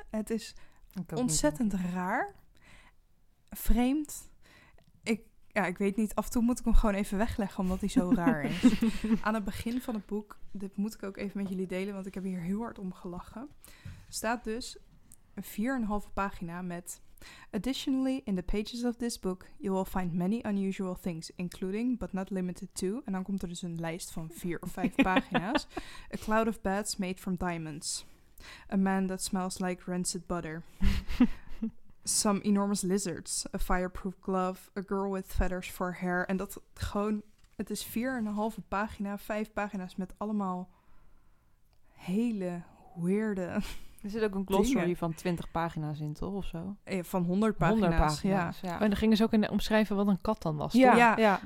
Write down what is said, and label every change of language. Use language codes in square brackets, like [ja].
[nl] Het is ontzettend raar. Vreemd. Ik weet niet. Af en toe moet ik hem gewoon even wegleggen, omdat hij zo raar is. Aan het begin van het boek, dit moet ik ook even met jullie delen, want ik heb hier heel hard om gelachen. Staat dus een 4,5 pagina met... [en] Additionally, in the pages of this book, you will find many unusual things, including, but not limited to... [nl] En dan komt er dus een lijst van 4 of 5 pagina's. [en] A cloud of bats made from diamonds. A man that smells like rancid butter. Some enormous lizards, a fireproof glove, a girl with feathers for hair. [nl] En dat gewoon, het is 4,5 pagina, 5 pagina's met allemaal hele weirde. Er zit ook een glossary dingen. Van 20 pagina's in, toch? Of zo? Ja, van 100 pagina's. 100 pagina's, ja. Ja. En dan gingen ze ook in omschrijven wat een kat dan was. Ja, toch? Ja.